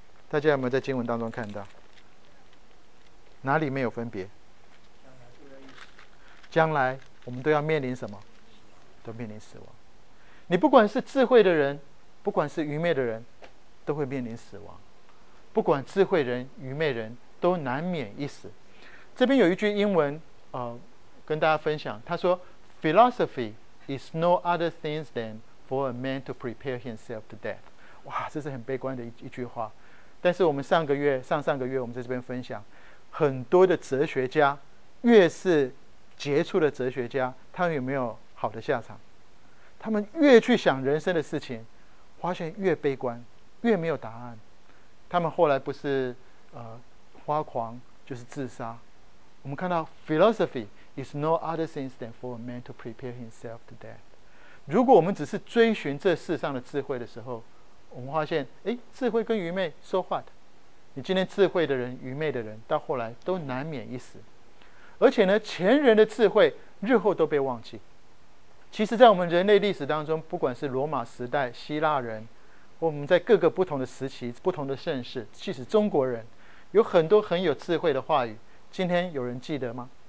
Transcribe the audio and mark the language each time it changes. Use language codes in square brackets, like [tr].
[zh] 大家有没有在经文当中看到哪里没有分别？将来我们都要面临什么？都面临死亡。你不管是智慧的人，不管是愚昧的人，都会面临死亡。不管智慧人、愚昧人，都难免一死。这边有一句英文，跟大家分享，他说 [en] ：“Philosophy is no other things than for a man to prepare himself to death。” [zh] 哇，这是很悲观的 一句话。但是我们上个月、上上个月，我们在这边分享，很多的哲学家，越是杰出的哲学家，他们有没有好的下场？他们越去想人生的事情，发现越悲观，越没有答案。他们后来不是发狂，就是自杀。我们看到 [en] philosophy is no other things than for a man to prepare himself to death。 [zh] 如果我们只是追寻这世上的智慧的时候，我们发现智慧跟愚昧 [en] so what， [zh] 你今天智慧的人、愚昧的人，到后来都难免一死。而且呢，前人的智慧日后都被忘记。其实在我们人类历史当中，不管是罗马时代、希腊人，我们在各个不同的时期、不同的盛世，即使中国人，有很多很有智慧的话语，今天有人记得吗？